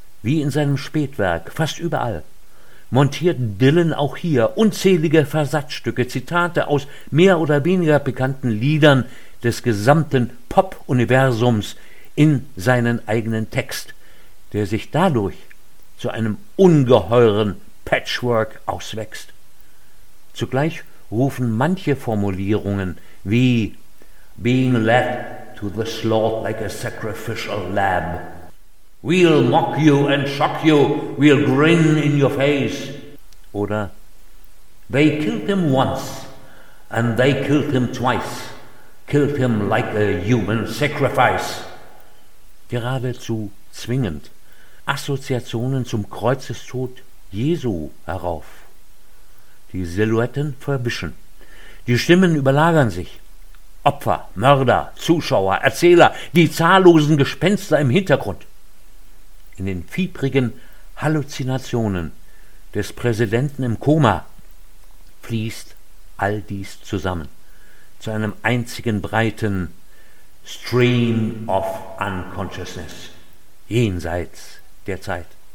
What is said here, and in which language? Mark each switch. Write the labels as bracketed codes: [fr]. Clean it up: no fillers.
[de] wie in seinem Spätwerk, fast überall, montiert Dylan auch hier unzählige Versatzstücke, Zitate aus mehr oder weniger bekannten Liedern des gesamten Pop-Universums in seinen eigenen Text, der sich dadurch zu einem ungeheuren Patchwork auswächst. Zugleich rufen manche Formulierungen wie [en] "Being led to the slaughter like a sacrificial lamb", "We'll mock you and shock you, we'll grin in your face", [de] oder [en] "They killed him once and they killed him twice, killed him like a human sacrifice", [de] geradezu zwingend Assoziationen zum Kreuzestod Jesu herauf. Die Silhouetten verwischen, die Stimmen überlagern sich. Opfer, Mörder, Zuschauer, Erzähler, die zahllosen Gespenster im Hintergrund. In den fiebrigen Halluzinationen des Präsidenten im Koma fließt all dies zusammen zu einem einzigen breiten Stream of Unconsciousness jenseits der Zeit.